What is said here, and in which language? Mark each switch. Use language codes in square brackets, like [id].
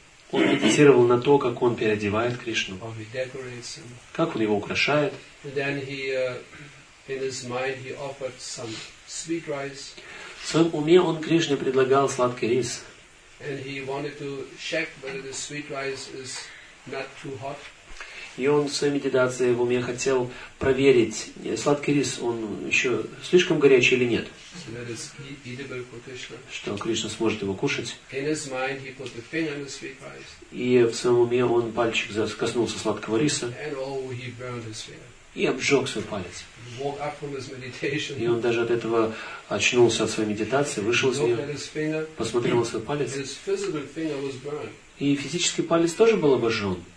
[ru] Он медитировал на то, как он переодевает Кришну. Как он его украшает. В своем уме он Кришне предлагал сладкий рис. [en] And he wanted to check whether the sweet rice is not too hot. [ru] И он в своей медитации в уме хотел проверить, сладкий рис, он еще слишком горячий или нет? [en] So that it's eatable for Krishna. [ru] Что Кришна сможет его кушать. [en] In his mind he put the finger on the sweet rice. [ru] И в своем уме он пальчик коснулся сладкого риса. [en] And oh, he burned his finger. [ru] И обжег свой палец. [en] Woke up from his meditation. [ru] И он даже от этого очнулся от своей медитации, вышел из нее, посмотрел на свой палец. [en] His physical finger was burned. [ru] И физический палец тоже был обожжен.